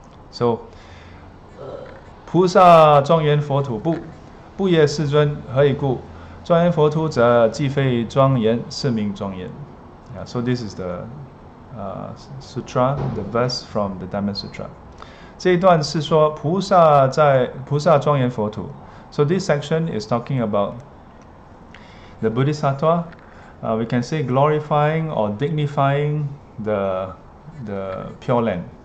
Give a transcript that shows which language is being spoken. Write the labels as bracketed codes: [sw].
[zh] So 菩萨庄严佛土不, 不也世尊何以故? 庄严佛土者, 既非庄严, 是名庄严. [en] Yeah, so this is the sutra, the verse from the Dhamma Sutra. [zh] 这一段是说, 菩萨在, 菩萨庄严佛土. [en] So this section is talking about the Bodhisattva. We can say glorifying or dignifying the Pure Land.